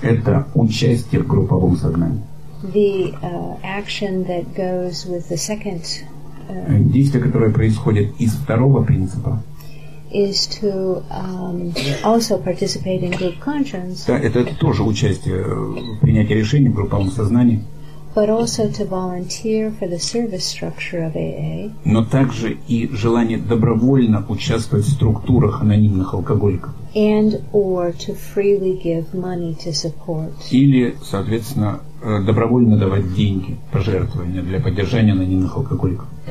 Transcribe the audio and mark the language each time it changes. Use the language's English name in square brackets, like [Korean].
[Russian] Это участие в групповом сознании. [English] The action that goes with the second. [Russian] Действие, которое происходит из второго принципа. [English] Is to also participate in group conscience. [Russian] Да, это тоже участие в принятии решений в групповом сознании. [English] But also to volunteer for the service structure of AA. [Russian] Но также и желание добровольно участвовать в структурах анонимных алкоголиков. [English] And or to freely give money to support. [Russian] Или, соответственно, добровольно давать деньги, пожертвования для поддержания анонимных алкоголиков.